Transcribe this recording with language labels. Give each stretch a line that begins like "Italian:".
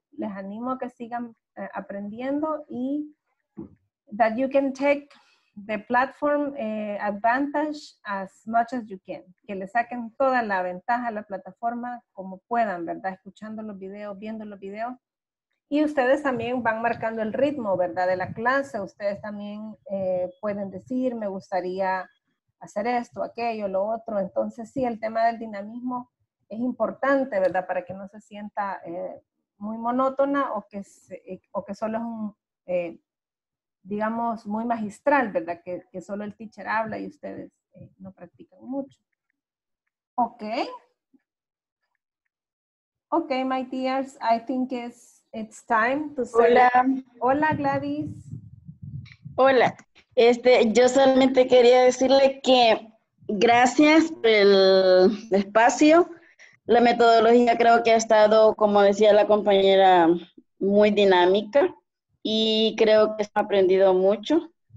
Spanish: Les animo a que sigan aprendiendo y that you can take the platform advantage as much as you can. Que le saquen toda la ventaja a la plataforma como puedan, ¿verdad? Escuchando los videos, viendo los videos. Y ustedes también van marcando el ritmo, ¿verdad? De la clase. Ustedes también pueden decir, me gustaría hacer esto, aquello, lo otro. Entonces, sí, el tema del dinamismo es importante, ¿verdad? Para que no se sienta muy monótona o que solo es un, digamos, muy magistral, ¿verdad? Que solo el teacher habla y ustedes no practican mucho.
English: Ok. Ok, my dears, I think it's time to say.
Spanish: Hola. Hola, Gladys. Hola. Yo solamente quería decirle que gracias por el espacio. La metodología creo que ha estado, como decía la compañera, muy dinámica y creo que se ha aprendido mucho.